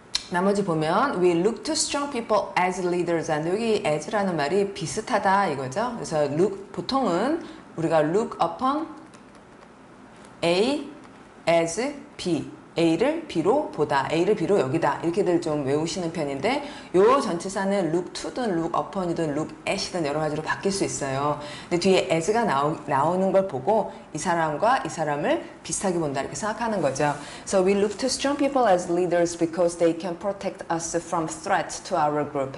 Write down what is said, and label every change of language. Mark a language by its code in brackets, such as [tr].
[ko] 나머지 보면 [en] we look to strong people as leaders. [ko] 여기 as라는 말이 비슷하다 이거죠. 그래서 look, 보통은 우리가 [en] look upon A as B, [ko] A를 B로 보다, A를 B로 여기다, 이렇게들 좀 외우시는 편인데, 요 전치사는 look to든 look upon이든 look at이든 여러 가지로 바뀔 수 있어요. 근데 뒤에 as가 나오는 걸 보고 이 사람과 이 사람을 비슷하게 본다, 이렇게 생각하는 거죠. [en] So we look to strong people as leaders because they can protect us from threats to our group.